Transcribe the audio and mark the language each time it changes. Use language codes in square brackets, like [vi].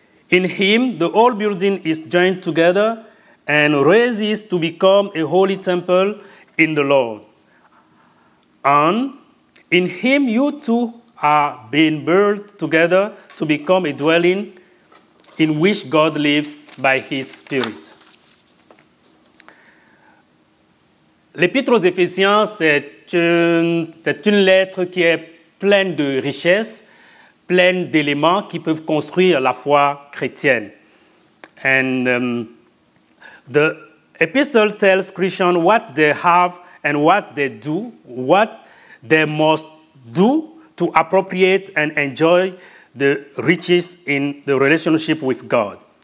[en] In him, the whole building is joined together and raises to become a holy temple in the Lord. And in him, you two are being built together to become a dwelling in which God lives by his Spirit. [fr] L'Épître aux Éphésiens, c'est une lettre qui est pleine de richesses, pleine d'éléments qui peuvent construire la foi chrétienne. [en] And the epistle tells Christians what they have and what they do, what they must do to appropriate and enjoy the riches in the relationship with God.